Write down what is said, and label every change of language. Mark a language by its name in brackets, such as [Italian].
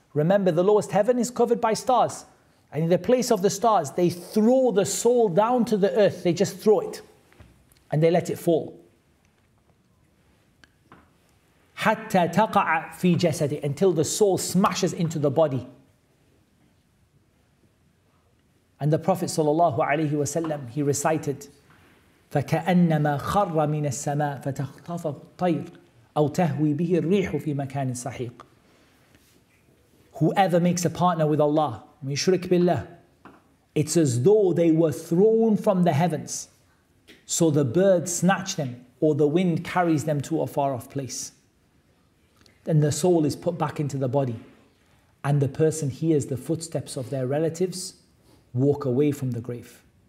[English] Remember, the lowest heaven is covered by stars. And in the place of the stars, they throw the soul down to the earth. They just throw it. And they let it fall. [Arabic] حَتَّى تَقَعَ فِي جَسَدِ [English] Until the soul smashes into the body. And the Prophet ﷺ, he recited, [Arabic] فَكَأَنَّمَا خَرَّ مِنَ السَّمَاءِ فَتَخْطَفَهُ الطَّيْرُ أَوْ تَهْوِي بِهِ الرِّيحُ فِي مَكَانٍ صَحِيقٍ [English] Whoever makes a partner with Allah, Mushrik billah. It's as though they were thrown from the heavens. So the birds snatch them or the wind carries them to a far off place. Then the soul is put back into the body. and the person hears the footsteps of their relatives walk away from the grave.